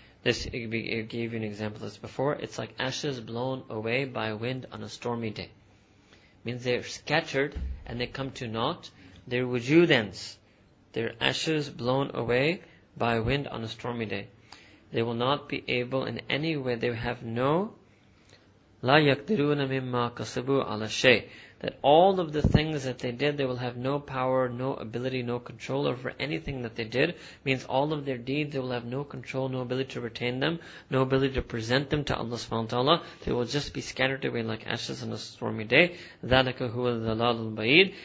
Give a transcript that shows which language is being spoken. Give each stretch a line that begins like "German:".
English: This, it gave you an example of this before. It's like ashes blown away by wind on a stormy day. Means they're scattered and they come to naught. Their wujud ends. Their ashes blown away by wind on a stormy day. They will not be able in any way. They have no
Arabic: لَا يَقْدِرُونَ مِمَّا كَسَبُوا عَلَى شَيْءٍ.
English: That all of the things that they did, they will have no power, no ability, no control over anything that they did. Means all of their deeds, they will have no control, no ability to retain them, no ability to present them to Allah subhanahu wa ta'ala. They will just be scattered away like ashes on a stormy day.
Arabic: ذَلَكَ هُوَ الظَّلَالُ الْبَعِيدُ.